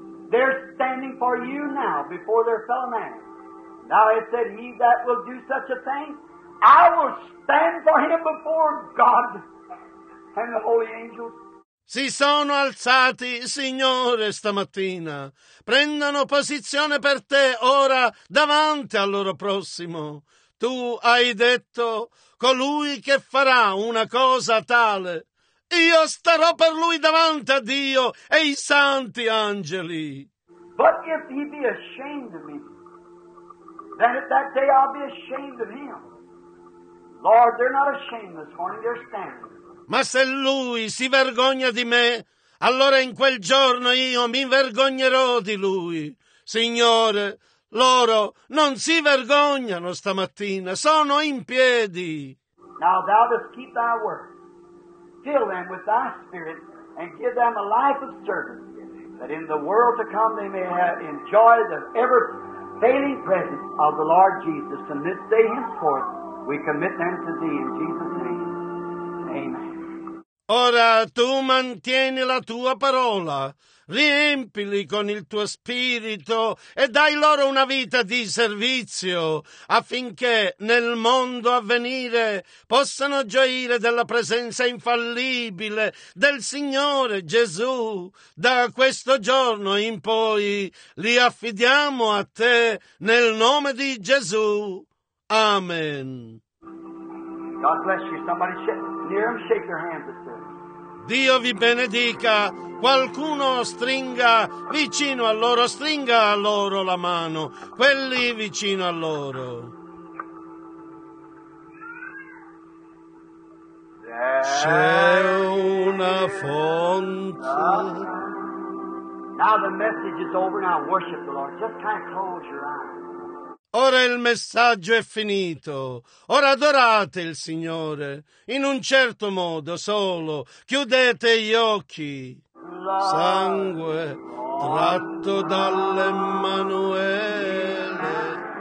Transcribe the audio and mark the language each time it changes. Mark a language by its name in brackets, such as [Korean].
[English] They're standing for you now before their fellow man. Now it said, he that will do such a thing, I will stand for him before God and the holy angels. [Italian] Si sono alzati, Signore, stamattina. Prendano posizione per te ora davanti al loro prossimo. Tu hai detto, colui che farà una cosa tale, io starò per lui davanti a Dio e i santi angeli. [English] But if he be ashamed of me, then at that day I'll be ashamed of him. Lord, they're not ashamed this morning, they're standing. [Italian] Ma se lui si vergogna di me, allora in quel giorno io mi vergognerò di lui. Signore, loro non si vergognano stamattina, sono in piedi. [English] Now thou dost keep thy word. Fill them with thy spirit and give them a life of service. That in the world to come they may have enjoy the ever failing presence of the Lord Jesus. From this day henceforth, we commit them to thee in Jesus' name. Amen. [Italian] Ora tu mantieni la tua parola, riempili con il tuo spirito e dai loro una vita di servizio affinché nel mondo a venire possano gioire della presenza infallibile del Signore Gesù. Da questo giorno in poi li affidiamo a te nel nome di Gesù. Amen. [English] God bless you. Somebody near him, shake your hand. [Italian] Dio vi benedica, qualcuno stringa vicino a loro, stringa a loro la mano, quelli vicino a loro. C'è una fonte. [English] Now the message is over, now worship the Lord. Just kind of close your eyes. [Italian] Ora il messaggio è finito, ora adorate il Signore, in un certo modo solo, chiudete gli occhi. Sangue tratto dall'Emanuele.